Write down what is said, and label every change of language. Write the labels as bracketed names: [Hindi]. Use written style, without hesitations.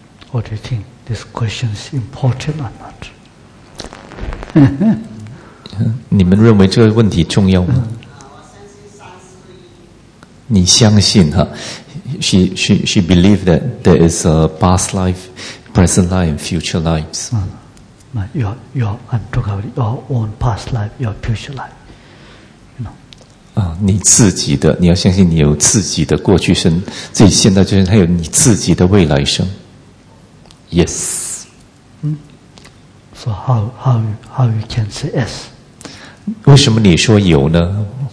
[English] What do you think? This question is important or not? [Chinese] 你们认为这个问题重要吗？你相信哈 [English] ？She believe that there is a past life, present life, and future lives. I'm talking about your own past life, your future life. You know. [Chinese] 啊，你自己的，你要相信你有自己的过去生，自己现在就是还有你自己的未来生。 [English] Yes. So how you can say yes? [Chinese] 为什么你说有呢？